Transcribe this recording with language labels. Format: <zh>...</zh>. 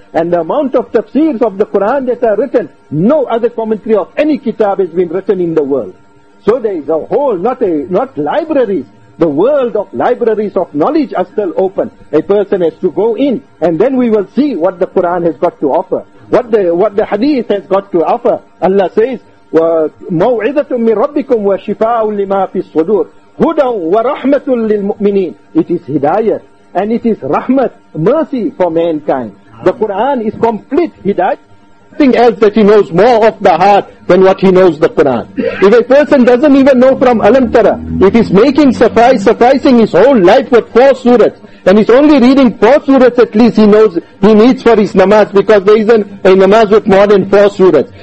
<en>And the amount of tafsirs of the Quran that are written, no other commentary of any kitab has been written in the world. So there is a whole, not libraries, the world of libraries of knowledge are still open. A person has to go in, and then we will see what the Quran has got to offer. What the hadith has got to offer.</en> <ar>Allah says, وَمَوْعِذَةٌ مِّن رَبِّكُمْ وَشِفَاءٌ لِمَا فِي الصُّدُورِ هُدًى وَرَحْمَةٌ لِلْمُؤْمِنِينَ.</ar> <en>It is hidayah, and it is rahmat, mercy for mankind. The Quran is complete hidayah. Nothing else that he knows more of the heart than what he knows the Quran. If a person doesn't even know from Alam Tara, if he's making sufficing his whole life with four surahs, and he's only reading four surahs, at least he knows he needs for his namaz, because there isn't a namaz with more than four surahs.</en>